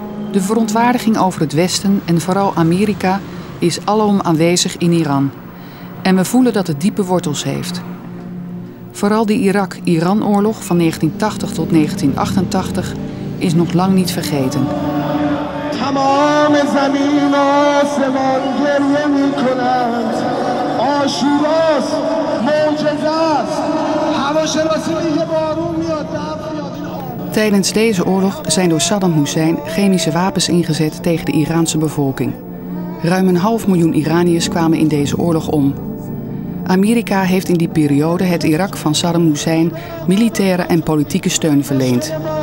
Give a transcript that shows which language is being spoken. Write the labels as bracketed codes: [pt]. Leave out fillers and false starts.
[nl] De verontwaardiging over het Westen en vooral Amerika is alom aanwezig in Iran. En we voelen dat het diepe wortels heeft. Vooral de Irak-Iran-oorlog van 1980 tot 1988 is nog lang niet vergeten. [fa] تمام زمین و آسمان گریه می کنند آشوراست معجزه است هواشناسی میگه بارون میاد [nl] Tijdens deze oorlog zijn door Saddam Hussein chemische wapens ingezet tegen de Iraanse bevolking. Ruim 500.000 Iraniërs kwamen in deze oorlog om. Amerika heeft in die periode het Irak van Saddam Hussein militaire en politieke steun verleend.